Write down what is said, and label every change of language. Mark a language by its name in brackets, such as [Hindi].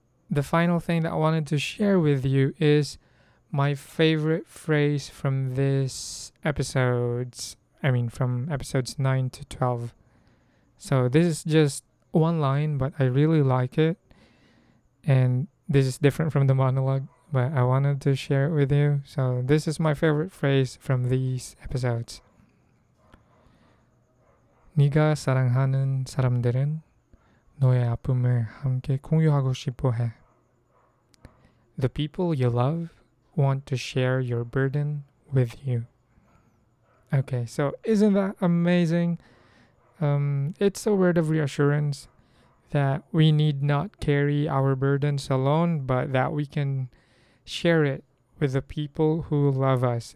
[English] The final thing that I wanted to share with you is my favorite phrase from this episode's, I mean, from episodes 9 to 12. So this is just one line, but I really like it. And this is different from the monologue, but I wanted to share it with you. So this is my favorite phrase from these episodes. [Korean] 네가 사랑하는 사람들은 너의 아픔을 함께 공유하고 싶어 해. [English] The people you love want to share your burden with you. Okay, so isn't that amazing? It's a word of reassurance that we need not carry our burdens alone, but that we can share it with the people who love us.